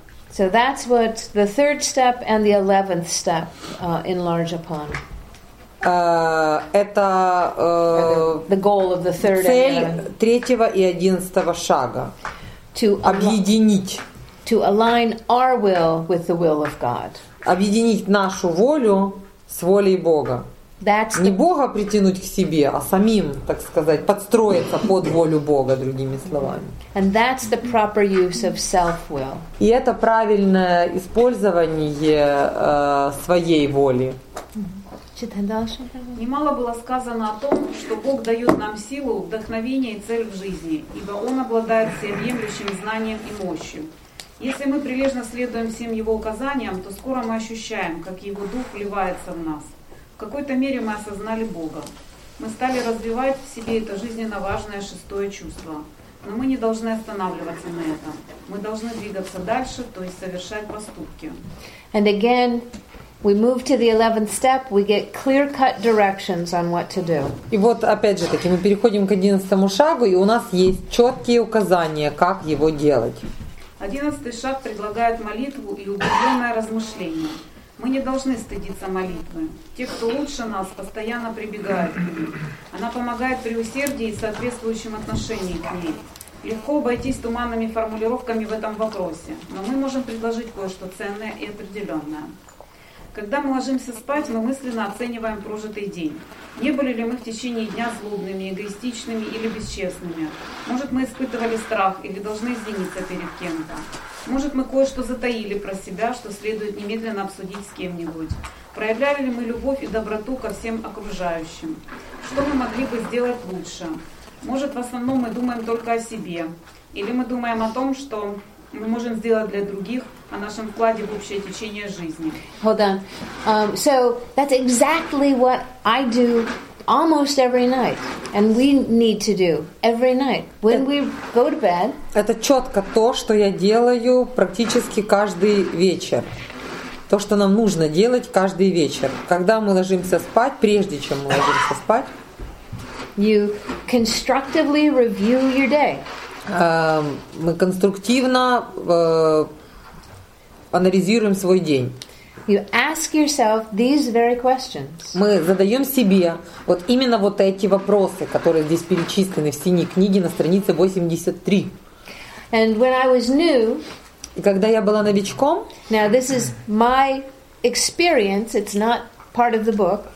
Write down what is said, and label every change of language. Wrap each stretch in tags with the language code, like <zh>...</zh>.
<en>So that's what the third step and the 11th step enlarge upon.</en> <ru>Это</ru> <en>the goal of the third</en> <ru>цель</ru> <en>and the</en> <ru>3-го и 11-го шага.</ru> <en>To</en> <ru>объединить.</ru> <en>To align our will with the will of God.</en> <ru>Объединить нашу волю с волей Бога. Не Бога притянуть к себе, а самим, так сказать, подстроиться под волю Бога, другими словами.</ru> <en>And that's the proper use of self-will.</en> <ru>И это правильное использование своей воли. Читай дальше. Немало было сказано о том, что Бог дает нам силу, вдохновение и цель в жизни, ибо Он обладает всеобъемлющим знанием и мощью. Если мы прилежно следуем всем Его указаниям, то скоро мы ощущаем, как Его Дух вливается в нас. В какой-то мере мы осознали Бога. Мы стали развивать в себе это жизненно важное шестое чувство. Но мы не должны останавливаться на этом. Мы должны двигаться дальше, то есть совершать поступки.</ru> <en>And again, we move to the 11th step, we get clear-cut directions on what to do.</en> <ru>И вот опять же таки, мы переходим к 11-му шагу, и у нас есть четкие указания, как его делать. Одиннадцатый шаг предлагает молитву и углубленное размышление. Мы не должны стыдиться молитвы. Те, кто лучше нас, постоянно прибегают к ней. Она помогает при усердии и соответствующем отношении к ней. Легко обойтись туманными формулировками в этом вопросе, но мы можем предложить кое-что ценное и определенное. Когда мы ложимся спать, мы мысленно оцениваем прожитый день. Не были ли мы в течение дня злобными, эгоистичными или бесчестными? Может, мы испытывали страх или должны извиниться перед кем-то? Может, мы кое-что затаили про себя, что следует немедленно обсудить с кем-нибудь? Проявляли ли мы любовь и доброту ко всем окружающим? Что мы могли бы сделать лучше? Может, в основном мы думаем только о себе? Или мы думаем о том, что мы можем сделать для других, о нашем вкладе в общее течение жизни.</ru> <en>Hold on. So that's exactly what I do almost every night, and we need to do every night when we go to bed.</en> <ru>Это четко то, что я делаю практически каждый вечер. То, что нам нужно делать каждый вечер, когда мы ложимся спать, прежде чем мы ложимся спать.</ru> <en>You constructively review your day.</en> <ru>Мы конструктивно анализируем свой день.</ru> <en>You ask yourself these very questions.</en> <ru>Мы задаем себе вот именно вот эти вопросы, которые здесь перечислены в синей книге на странице 83.</ru> <en>And when I was new,</en> <ru>и когда я была новичком,</ru> <en>now this is my experience, it's not part of the book.</en>